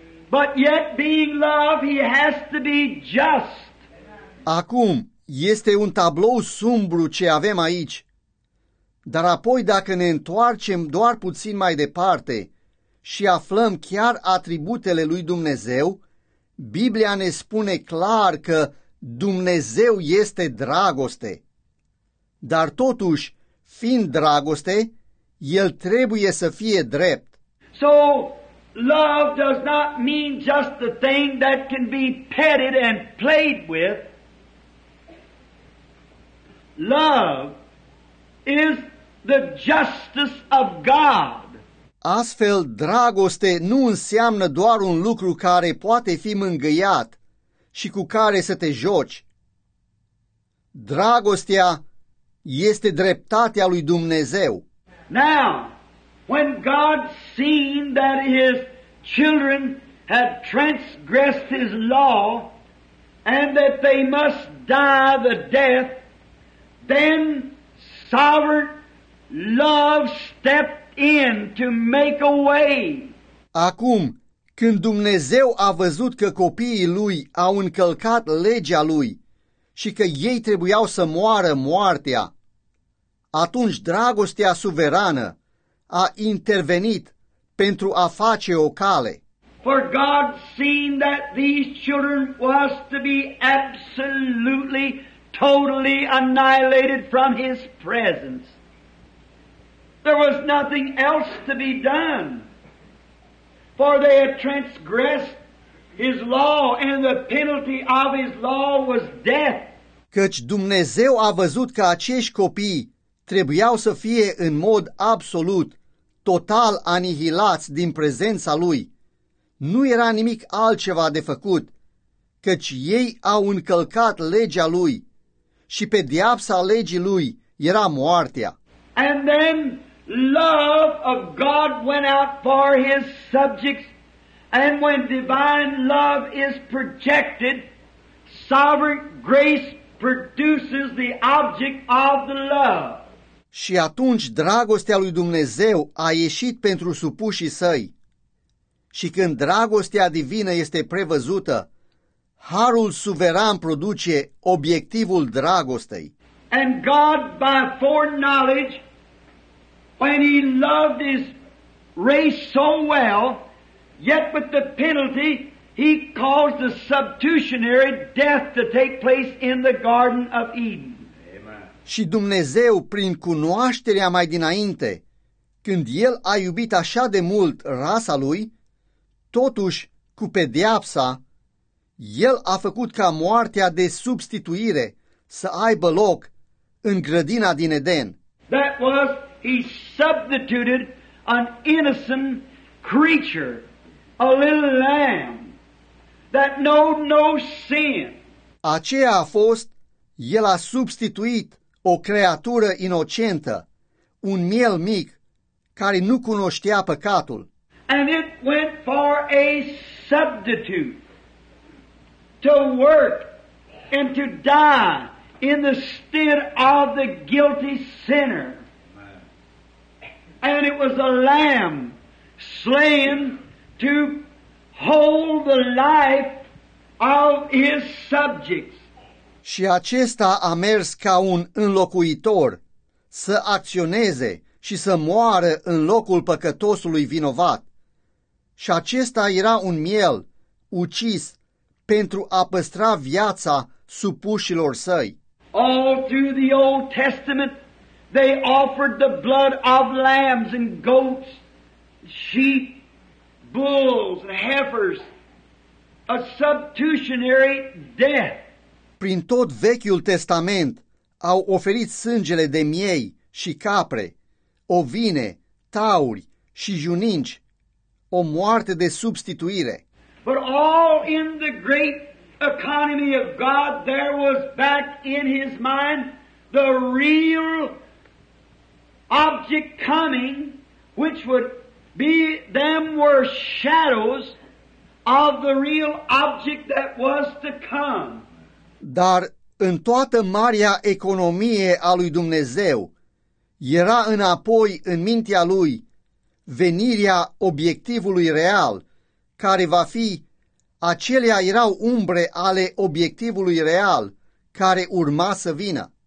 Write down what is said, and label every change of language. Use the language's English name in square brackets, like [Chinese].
[English] But yet, being love, he has to be just. [Romanian] Acum, este un tablou sumbru ce avem aici. Dar apoi, dacă ne întoarcem doar puțin mai departe și aflăm chiar atributele lui Dumnezeu, Biblia ne spune clar că Dumnezeu este dragoste. Dar totuși, fiind dragoste, el trebuie să fie drept. [English] So, love does not mean just the thing that can be petted and played with. Love is the justice of God. [Romanian] Astfel, dragoste nu înseamnă doar un lucru care poate fi mângâiat și cu care să te joci. Dragostea este dreptatea lui Dumnezeu. [English] Now, when God seen that his children had transgressed his law and that they must die the death, then sovereign Love stepped in to make a way. [Romanian] Acum, când Dumnezeu a văzut că copiii lui au încălcat legea lui și că ei trebuiau să moară moartea, atunci dragostea suverană a intervenit pentru a face o cale. [English] For God seeing that these children was to be absolutely, totally annihilated from His presence. There was nothing else to be done. For they had transgressed His law, and the penalty of His law was death. [Romanian] Căci Dumnezeu a văzut că acești copii trebuiau să fie în mod absolut, total anihilați din prezența Lui. Nu era nimic altceva de făcut, căci ei au încălcat legea Lui și pedeapsa legii Lui era moartea. [English] And then love of God went out for His subjects, and when divine love is projected, sovereign grace produces the object of the love. [Romanian] Și atunci dragostea lui Dumnezeu a ieșit pentru supușii săi. Și când dragostea divină este prevăzută, harul suveran produce obiectivul dragostei. [English] And God by foreknowledge, when He loved His race so well, yet with the penalty, He caused the substitutionary death to take place in the Garden of Eden. Amen. [Romanian] Și Dumnezeu, prin cunoașterea mai dinainte, când El a iubit așa de mult rasa Lui, totuși, cu pedeapsa, El a făcut ca moartea de substituire să aibă loc în grădina din Eden. [English] That was, He substituted an innocent creature, a little lamb, that knowed no sin. [Romanian] Aceea a fost, El a substituit o creatură inocentă, un miel mic, care nu cunoștea păcatul. [English] And it went for a substitute to work and to die in the stead of the guilty sinner. And it was a lamb slain to hold the life of his subjects. [Romanian] Și acesta a mers ca un înlocuitor să acționeze și să moară în locul păcătosului vinovat. Și acesta era un miel ucis pentru a păstra viața supușilor săi. [English] All through the Old Testament, they offered the blood of lambs and goats, sheep, bulls and heifers, a substitutionary death. [Romanian] Prin tot Vechiul Testament au oferit sângele de miei și capre, ovine, tauri și juninci, o moarte de substituire. [English] But all in the great economy of God, there was back in His mind the real object coming, which would be them were shadows of the real object that was to come. [Romanian] Dar în toată marea economie a lui Dumnezeu, era înapoi în mintea lui venirea obiectivului real, care va fi, acelea erau umbre ale obiectivului real, care urma să vină.